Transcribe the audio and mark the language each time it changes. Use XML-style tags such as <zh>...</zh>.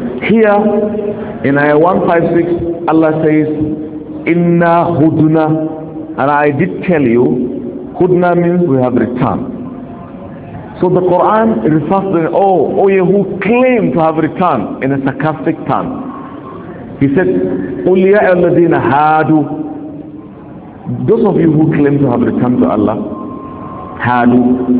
<en>Here, in ayah 156, Allah says, Inna hudna. And I did tell you, hudna means we have returned. So the Quran refers to, oh yeah, who claim to have returned in a sarcastic tongue. He said,</en> <ar>قُلْ يَا الَّذِينَ هَادُوا.</ar> <en>Those of you who claim to have returned to Allah,</en> <ar>هَادُوا.</ar>